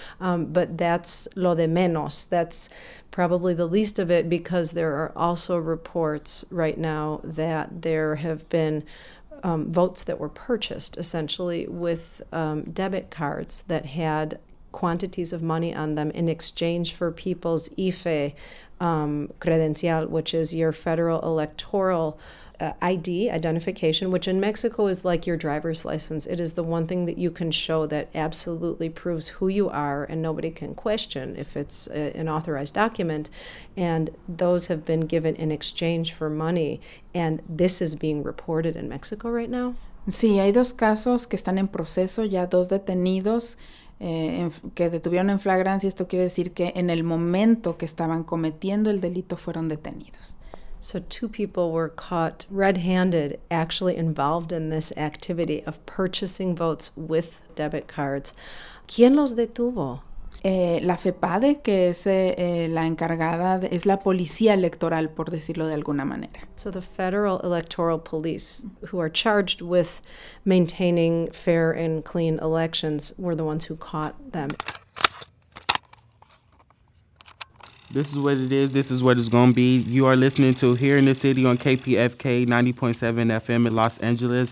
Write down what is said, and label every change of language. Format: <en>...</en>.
<en>But that's</en> <es>lo de menos.</es> <en>That's probably the least of it, because there are also reports right now that there have been votes that were purchased essentially with debit cards that had quantities of money on them in exchange for people's IFE credencial, which is your federal electoral ID, identification, which in Mexico is like your driver's license. It is the one thing that you can show that absolutely proves who you are and nobody can question if it's an authorized document. And those have been given in exchange for money. And this is being reported in Mexico right now?</en> <es>Sí, hay 2 casos que están en proceso, ya 2 detenidos que detuvieron en flagrancia. Esto quiere decir que en el momento que estaban cometiendo el delito fueron detenidos.</es> <en>So 2 people were caught red-handed, actually involved in this activity of purchasing votes with debit cards.</en> <es>¿Quién los detuvo? La FEPADE, que es la encargada, es la policía electoral, por decirlo de alguna manera.</es> <en>So the Federal Electoral Police, who are charged with maintaining fair and clean elections, were the ones who caught them. This is what it is. This is what it's going to be. You are listening to Here in the City on KPFK 90.7 FM in Los Angeles.</en>